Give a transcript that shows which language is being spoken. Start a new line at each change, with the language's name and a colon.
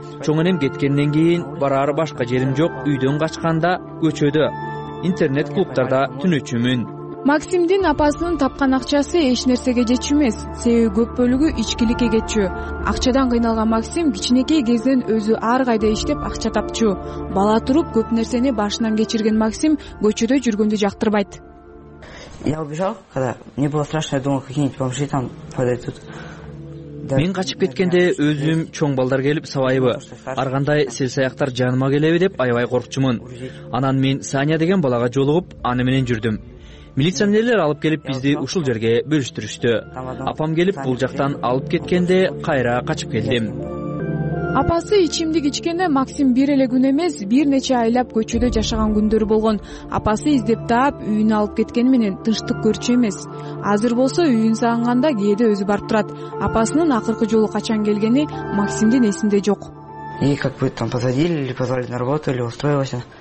Kyrgyz: Чоң энем кеткенден кийин барар башка жерим жок, үйдөн качканда көчөдө, интернет клубтарда түнөчүмүн. Максимдин апасынын тапкан акчасы эч нерсеге жетчү эмес, себеби көп бөлүгү ичкиликке кетчү. Акчадан кыйналган Максим кичинекей кезден өзү ар кайда иштеп акча тапчу. Бала туруп көп нерсени башынан кечирген Максим көчөдө жүргөндү жактырбайт.
Russian: Я убежал, когда мне было страшно, я думал, какие-нибудь бомжи там подойдут.
Kyrgyz: Мен качып кеткенде өзүм чоң балдар келип сабайбы, ар кандай селсаяктар жаныма келеби деп аябай коркчумун. Анан мен Саня деген балага жолугуп, аны менен жүрдүм. Милиционерлер алып келип бизди ушул жерге бөлүштүрүштү. Апам келип бул жактан алып кеткенде кайра качып келдим. Апасы ичимдик ичкенде Максим бир эле күн эмес, бир нече айлап көчөдө жашаган күндөрү болгон. Апасы издеп таап, үйүнө алып кеткени менен тынчтык көрчү эмес. Азыр болсо үйүн сагынганда кээде өзү барып турат. Апасынын акыркы жолу качан келгени Максимдин эсинде жок.
Russian: И как бы там позвонили, или позвали на работу, или устроилась.